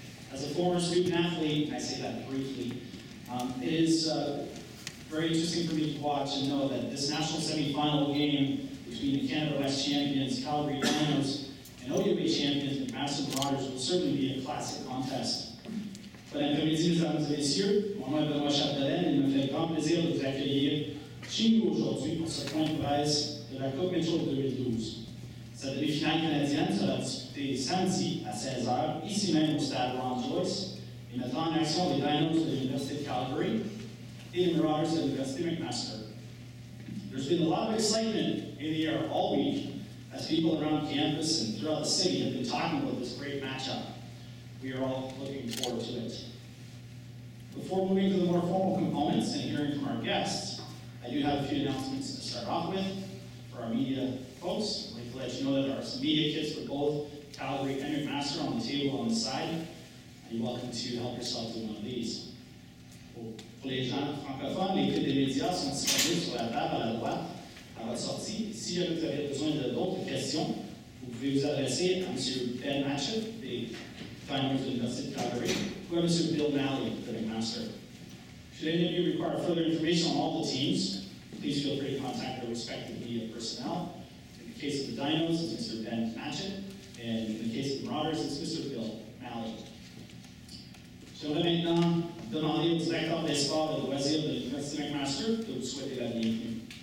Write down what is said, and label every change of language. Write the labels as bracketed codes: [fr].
[en] As a former student-athlete, I say that briefly, it is very interesting for me to watch and know that this national semifinal game between the Canada West champions, Calgary Dinos, and OWA champions, McMaster Marauders, will certainly be a classic contest. [fr] Madame Commissaire, Mesdames et Messieurs, mon nom est Benoît Chapdelaine et il me fait grand plaisir de vous accueillir chez nous aujourd'hui pour ce point de presse de la Coupe Métro 2012. Cette demi-finale canadienne sera disputée samedi à 16h, ici même au stade Ron Joyce, et mettra en action les Dinos de l'Université de Calgary et les Marauders de l'Université McMaster. [en] There's been a lot of excitement in the air all week as people around campus and throughout the city have been talking about this great matchup. We are all looking forward to it. Before moving to the more formal components and hearing from our guests, I do have a few announcements to start off with. For our media folks, I'd like to let you know that there are some media kits for both Calgary and McMaster on the table on the side, and you're welcome to help yourself with one of these. [fr] Pour les gens francophones, les kits des médias sont disponibles sur la table à la droite à votre sortie. Si vous avez besoin de d'autres questions, vous pouvez vous adresser à M. [en] Ben Matchett Finals of the Calgary, who are Mr. Bill Malley, the McMaster. Should any of you require further information on all the teams, please feel free to contact their respective media personnel. In the case of the Dinos, it's Mr. Ben Matchett, and in the case of the Marauders, it's Mr. Bill Malley. [fr] Je vais maintenant demander au directeur d'espoir et loisirs de l'Université McMaster de vous souhaiter la bienvenue.